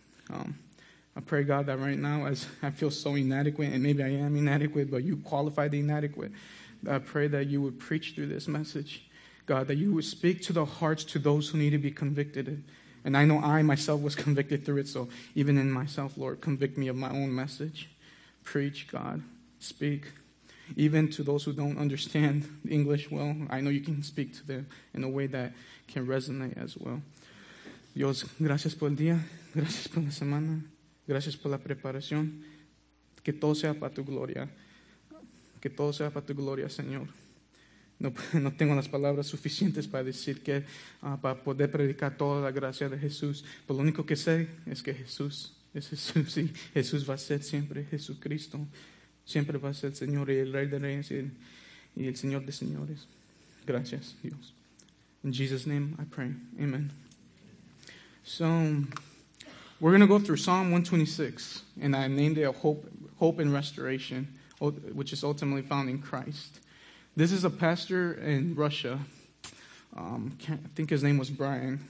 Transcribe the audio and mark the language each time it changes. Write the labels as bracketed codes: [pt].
[en] I pray, God, that right now, as I feel so inadequate, and maybe I am inadequate, but you qualify the inadequate, I pray that you would preach through this message, God, that you would speak to the hearts, to those who need to be convicted. And I know I myself was convicted through it, so even in myself, Lord, convict me of my own message. Preach, God, speak, even to those who don't understand English well. I know you can speak to them in a way that can resonate as well. [es] Dios, gracias por el día, gracias por la semana. Gracias por la preparación. Que todo sea para tu gloria. Que todo sea para tu gloria, Señor. No tengo las palabras suficientes para decir que para poder predicar toda la gracia de Jesús. Pero lo único que sé es que Jesús es Jesús. Y Jesús va a ser siempre Jesucristo. Siempre va a ser el Señor y el Rey de Reyes y el Señor de Señores. Gracias, Dios. [en] In Jesus' name I pray. Amen. So we're going to go through Psalm 126, and I named it Hope and Restoration, which is ultimately found in Christ. This is a pastor in Russia. I think his name was Brian.